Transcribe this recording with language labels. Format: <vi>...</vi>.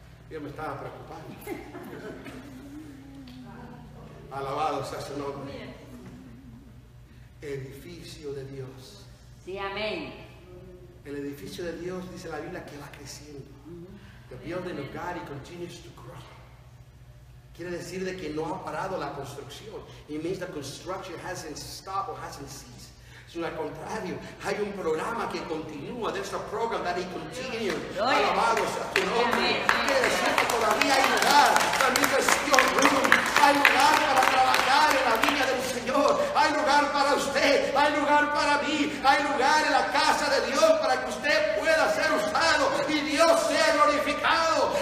<es>Yo me estaba preocupando. Alabado sea su nombre. Edificio de Dios. Sí, amén. El edificio de Dios, dice la Biblia, que va creciendo.</es> <en>The building of God, it continues to grow.</en> <es>Quiere decir de que no ha parado la construcción.</es> <en>It means the construction hasn't stopped or hasn't ceased.</en> <es>Sino al contrario, hay un programa que continúa.</es> <en>There's a program that he continues.</en> <es>Alabado sea tu nombre. Quiere decir que todavía hay lugar. También es Dios mío. Hay lugar para trabajar en la viña del Señor. Hay lugar para usted. Hay lugar para mí. Hay lugar en la casa de Dios para que usted pueda ser usado y Dios sea glorificado.</es>